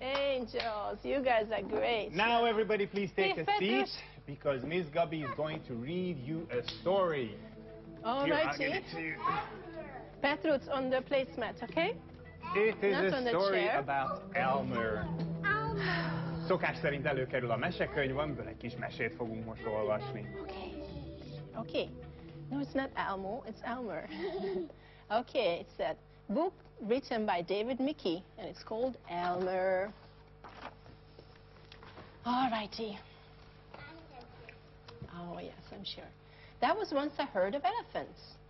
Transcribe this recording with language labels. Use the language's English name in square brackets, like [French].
[English] Angels, you guys are great. Now everybody please take a seat because Miss Gubby is going to read you a story. All right, Chief. Petruz on the placemat, okay? It is not a story about Elmer. [Hungarian] Szokás szerint előkerül a mesekönyv, amiből egy kis mesét fogunk most olvasni. [English] Okay. No, it's not Elmo, it's Elmer. Okay, it's that. Book written by David Mickey, and it's called Elmer. All righty. Oh, yes, I'm sure. That was once a herd of elephants.